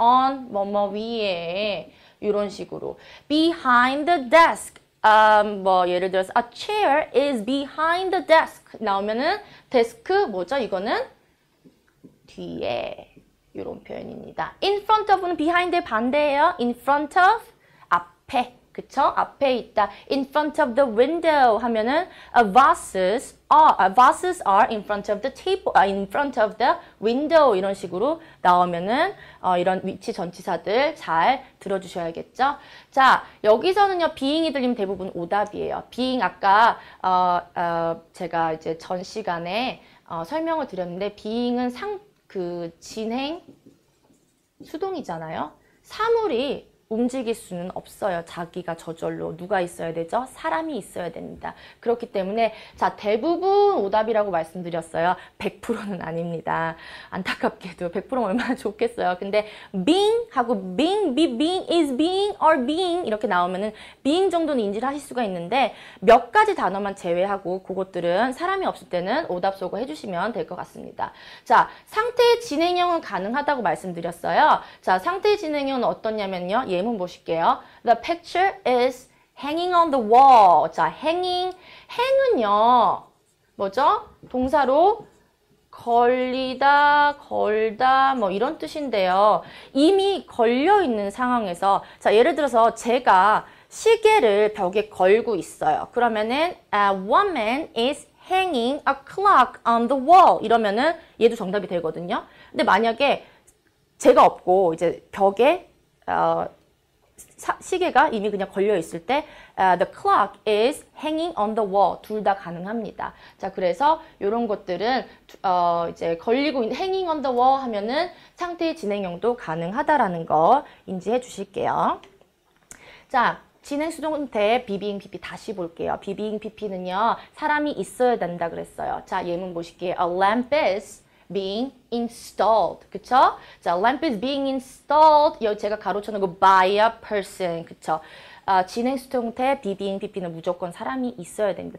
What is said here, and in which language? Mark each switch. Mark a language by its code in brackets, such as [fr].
[ko] On, 뭐뭐 위에. 이런 식으로. [en] Behind the desk. [ko] 뭐 예를 들어서 [en] a chair is behind the desk [ko] 나오면은 데스크 뭐죠? 이거는 뒤에 이런 표현입니다. In front of는 behind의 반대예요. In front of 앞에 그쵸? 앞에 있다. [en] In front of the window [ko] 하면은 [en] vases are in front of the table, in front of the window [ko] 이런 식으로 나오면은 이런 위치 전치사들 잘 들어주셔야겠죠? 자, 여기서는요 being이 들리면 대부분 오답이에요. being 아까 제가 이제 전 시간에 설명을 드렸는데 being은 상그 진행 수동이잖아요. 사물이 움직일 수는 없어요. 자기가 저절로 누가 있어야 되죠? 사람이 있어야 됩니다. 그렇기 때문에 자, 대부분 오답이라고 말씀드렸어요. 100%는 아닙니다. 안타깝게도 100%면 얼마나 좋겠어요. 근데 being 하고 being, be being, is being or being 이렇게 나오면은 being 정도는 인지를 하실 수가 있는데 몇 가지 단어만 제외하고 그것들은 사람이 없을 때는 오답 속으로 해주시면 될것 같습니다. 자, 상태의 진행형은 가능하다고 말씀드렸어요. 자, 상태의 진행형은 어떻냐면요. 예문 보실게요. [en] The picture is hanging on the wall. [ko] 자, hanging. hang은요, 뭐죠? 동사로 걸리다, 걸다, 뭐 이런 뜻인데요. 이미 걸려있는 상황에서, 자, 예를 들어서 제가 시계를 벽에 걸고 있어요. 그러면은, [en] a woman is hanging a clock on the wall. [ko] 이러면은 얘도 정답이 되거든요. 근데 만약에 제가 없고, 이제 벽에, 시계가 이미 그냥 걸려 있을 때, [en] the clock is hanging on the wall. [ko] 둘다 가능합니다. 자, 그래서 이런 것들은 이제 걸리고 있는 [en] hanging on the wall [ko] 하면은 상태의 진행형도 가능하다라는 거 인지해 주실게요. 자, 진행 수동태 be being pp 다시 볼게요. be being pp는요 사람이 있어야 된다 그랬어요. 자, 예문 보실게요. [en] A lamp is being installed, [ko] 그쵸? [en] 자, lamp is being installed. [ko] 여기 제가 가로쳐놓은 거 [en] by a person, [ko] 그쵸? 진행 수동태 be being pp는 무조건 사람이 있어야 됩니다.